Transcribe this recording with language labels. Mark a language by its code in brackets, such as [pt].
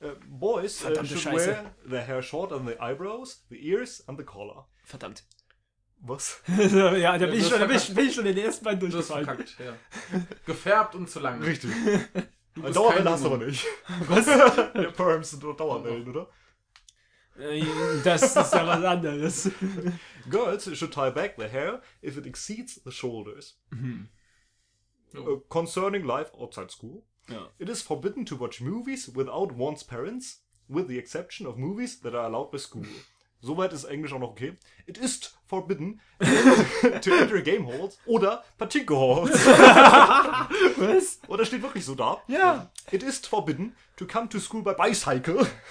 [en] Boys should wear their hair short on the eyebrows, the ears and the collar. [de] Verdammt. Was? Ja, da bin ich schon, in den ersten beiden durchgefallen. Verkackt, ja. Gefärbt und zu lang. Richtig. Dauerwellen hast du aber nicht. Was? Ja, Perms sind doch Dauerwellen, oder? Das ist ja was anderes. [en] Girls should tie back their hair if it exceeds the shoulders. [de] Mhm. [en] Concerning life outside school. [de] Ja. [en] It is forbidden to watch movies without one's parents, with the exception of movies that are allowed by school. [de] Soweit ist Englisch auch noch okay. [en] It is forbidden to enter game halls [de] oder [en] Pachinko halls. [de] Was? Oder steht wirklich so da? Ja. [en] It is forbidden to come to school by bicycle.